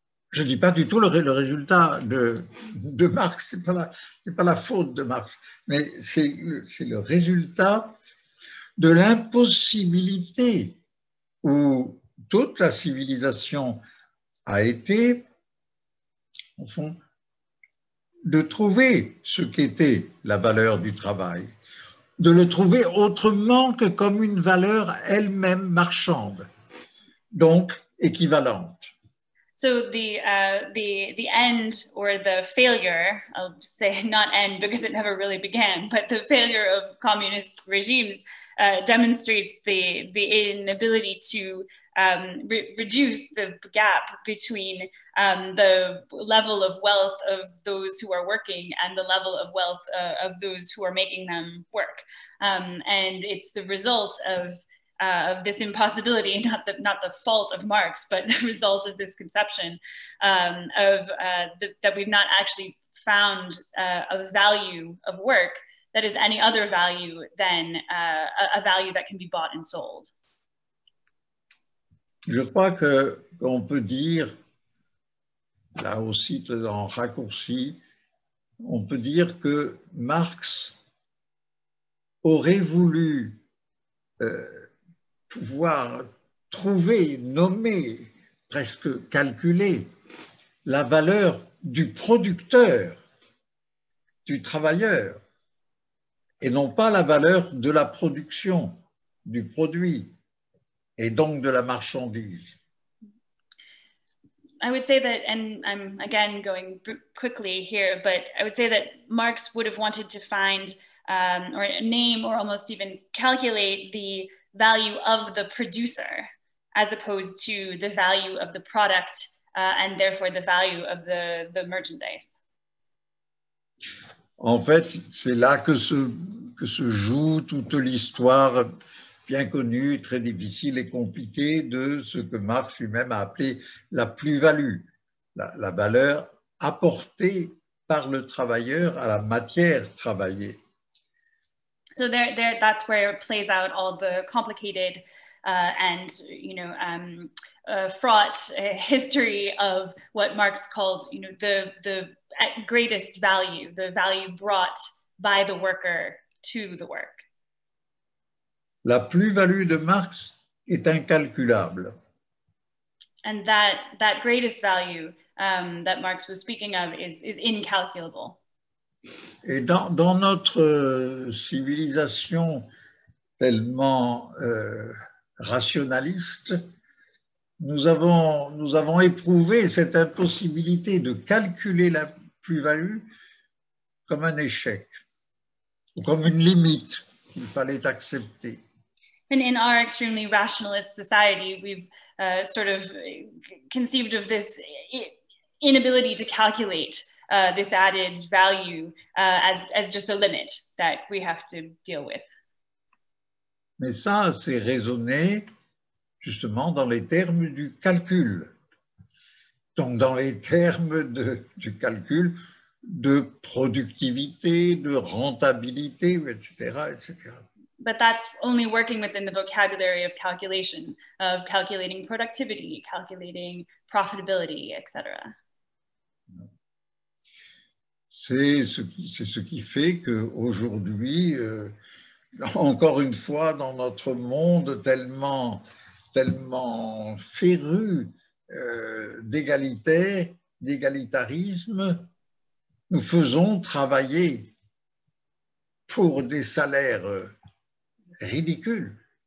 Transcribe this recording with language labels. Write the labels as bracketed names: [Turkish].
[French] je ne dis pas du tout le résultat de Marx, ce n'est pas la faute de Marx, mais c'est le résultat de l'impossibilité où toute la civilisation a été, au fond, de trouver ce qu'était la valeur du travail, de le trouver autrement que comme une valeur elle-même marchande, donc équivalente. [English] So the end or the failure, I'll say not end because it never really began, but the failure of communist regimes demonstrates the inability to reduce the gap between the level of wealth of those who are working and the level of wealth of those who are making them work. And it's the result of this impossibility, not the fault of Marx, but the result of this conception that we've not actually found a value of work that is any other value than a value that can be bought and sold. [French] Je crois que on peut dire, là aussi en raccourci, on peut dire que Marx aurait voulu pouvoir trouver, nommer, presque calculer la valeur du producteur, du travailleur, et non pas la valeur de la production, du produit, et donc de la marchandise. [English] I would say that, and I'm again going quickly here, but I would say that Marx would have wanted to find or name or almost even calculate the value of the producer as opposed to the value of the product and therefore the value of the merchandise. [French] En fait, c'est là que se joue toute l'histoire bien connue, très difficile et compliquée de ce que Marx lui-même a appelé la plus-value, la valeur apportée par le travailleur à la matière travaillée. [English] So there, that's where it plays out all the complicated and, you know, fraught history of what Marx called, you know, the greatest value, the value brought by the worker to the work. [French] La plus-value de Marx est incalculable. [English] And that greatest value that Marx was speaking of is incalculable. [French] Et dans notre civilisation tellement rationaliste, nous avons éprouvé cette impossibilité de calculer la plus-value comme un échec, comme une limite qu'il fallait accepter. [English] And in our extremely rationalist society, we've sort of conceived of this inability to calculate this added value as just a limit that we have to deal with. [French] Mais ça, c'est raisonné justement dans les termes du calcul. Donc dans les termes du calcul de productivité, de rentabilité, etc., etc. [English] But that's only working within the vocabulary of calculation, of calculating productivity, calculating profitability, etc. [French] C'est ce qui fait qu'aujourd'hui, encore une fois, dans notre monde tellement, tellement féru d'égalitarisme, nous faisons travailler pour des salaires ridicules.